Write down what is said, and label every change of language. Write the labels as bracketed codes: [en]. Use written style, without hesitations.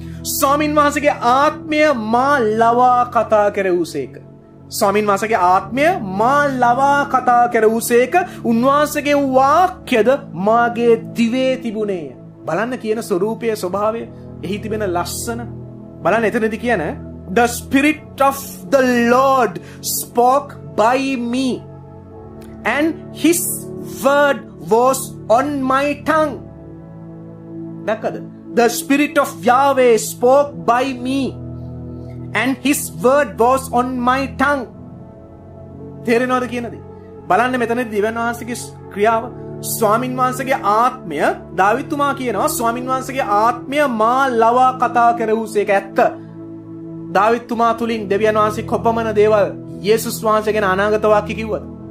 [si] ස්වාමින් වහන්සේගේ ආත්මය මා ලවා කතා කරවූසේක. ස්වාමින් වහන්සේගේ ආත්මය මා ලවා කතා කරවූසේක. උන්වහන්සේගේ වාක්‍යද මාගේ දිවේ තිබුණේය. බලන්න කියන ස්වરૂපයේ ස්වභාවය, එහි තිබෙන ලස්සන බලන්න. එතනදි කියන [en] the spirit of the lord spoke by me and his word was on my tongue. [si] දැක්කද? [en] The spirit of yahweh spoke by me and his word was on my tongue. [si] තේරෙනවද කියනද? බලන්න මෙතනදි දිවන් වහන්සේගේ ක්‍රියාව. ස්වාමින් වහන්සේගේ ආත්මය, දාවිතුමා කියනවා ස්වාමින් වහන්සේගේ ආත්මය මා ලවා කතා කරවූසේක. ඇත්ත. දාවිතුමා තුලින් දෙවියන් වහන්සේ කොපමණ දේවල් යේසුස් වහන්සේ ගැන අනාගත වාක්‍ය කිව්වද?